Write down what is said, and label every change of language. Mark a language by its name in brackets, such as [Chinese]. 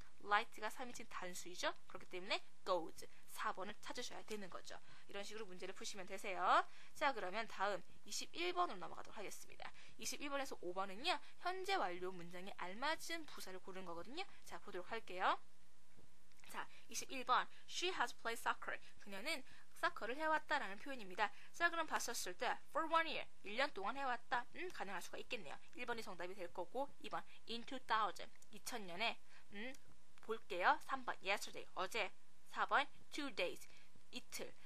[Korean] light가 3인칭 단수이죠? 그렇기 때문에 goes, 4번을 찾으셔야 되는 거죠. 이런 식으로 문제를 푸시면 되세요. 자, 그러면 다음 21번으로 넘어가도록 하겠습니다. 21번에서 5번은요, 현재 완료 문장에 알맞은 부사를 고른 거거든요. 자, 보도록 할게요. [English] 자, 21번, she has played soccer. [Korean] 그녀는 사커를 해왔다라는 표현입니다. 자, 그럼 봤었을 때 for one year, 1년 동안 해왔다, 가능할 수가 있겠네요. 1번이 정답이 될 거고, 2번, in 2000, 2000년에, 볼게요. 3번, yesterday, 어제. 4번, two days, 이틀.